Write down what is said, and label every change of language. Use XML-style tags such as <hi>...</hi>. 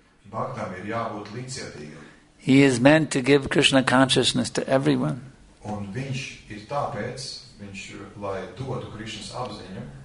<lv>Bhaktam ir jābūt līdzjūtīgam.</lv> <en>He is meant to give Krishna consciousness to everyone.</en> <lv>Un viņš ir tāpēc, viņš lai dotu Krishnas apziņu.</lv>